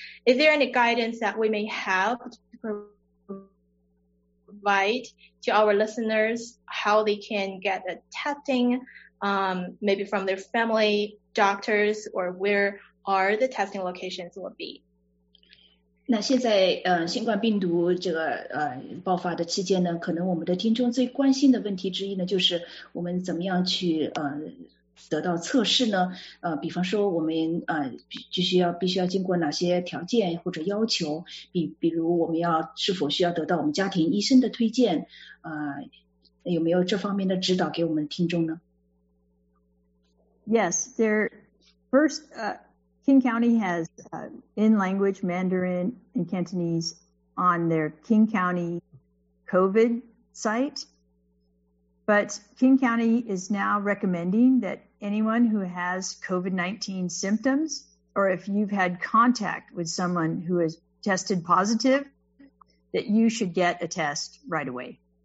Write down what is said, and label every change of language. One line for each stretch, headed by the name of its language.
English: Is there any guidance that we may have to provide to our listeners how they can get a testing, maybe from their family? Doctors or where are the testing locations will be?
Chinese: 那现在新冠病毒这个爆发的期间呢，可能我们的听众最关心的问题之一呢，就是我们怎么样去得到测试呢？比方说我们必须要经过哪些条件或者要求？比如我们要是否需要得到我们家庭医生的推荐？有没有这方面的指导给我们听众呢？
English: Yes, there. First, King County has in language Mandarin and Cantonese on their King County COVID site. But King County is now recommending that anyone who has COVID-19 symptoms, or if you've had contact with someone who has tested positive, that you should get a test right away.